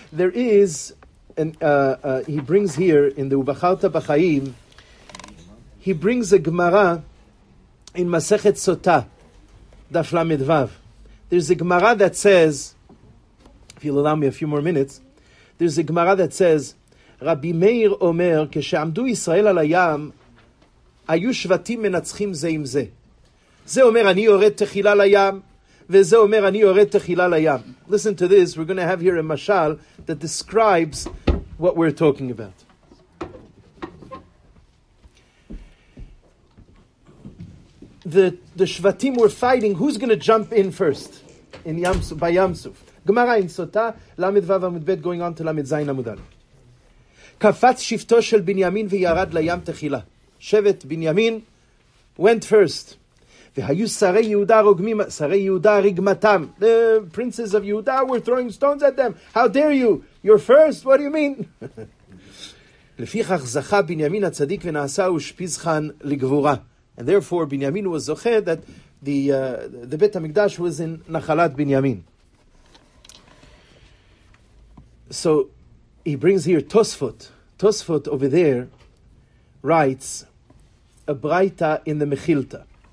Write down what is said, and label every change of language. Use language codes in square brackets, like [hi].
[en] There is, he brings here in the Ubacharta b'chaim, he brings a gemara in Masechet Sota, daf lamed vav. There's a gemara that says, if you'll allow me a few more minutes, there's a gemara that says, Rabbi Meir Omer, [he] כשעמדו ישראל על הים, היו שבטים מנצחים זה עם זה. זה אומר, אני יורד תחילה לים, וזה אומר, אני יורד תחילה לים. [en] Listen to this, we're going to have here a mashal that describes what we're talking about. The שבטים were fighting, who's going to jump in first? In Yamsuf, by Yamsuf. Gemara in Sota, Lamed Vav Amud Bet, going on to Lamed Zayin Amud Aleph. [he] קפץ שפטו של בנימין וירד לים תחילה. [en] שבט בנימין went first. [he] והיו שרי יהודה רוגמים, שרי יהודה רגמתם. [en] The princes of Yehuda were throwing stones at them. How dare you? You're first? What do you mean? [he] לפיכך זכה בנימין הצדיק ונעשה ושפיזכן לגבורה. [en] And therefore, בנימין was זוכה that the בית המקדש was in נחלת בנימין. So, he brings here Tosfot. Tosfot over there writes a braita in the Mechilta.